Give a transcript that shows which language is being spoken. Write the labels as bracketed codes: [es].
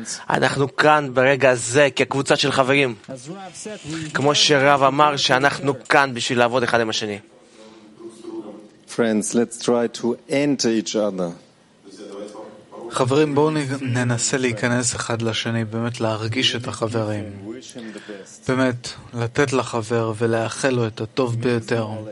[he] אנחנו כאן ברגע הזה כקבוצה של חברים, כמו שרב אמר שאנחנו כאן בשביל לעבוד אחד עם השני. [en] Friends, let's try to enter each other. [he] חברים, בואו ננסה להיכנס אחד לשני, באמת להרגיש את החברים, באמת לתת לחבר ולאחל לו את הטוב ביותר.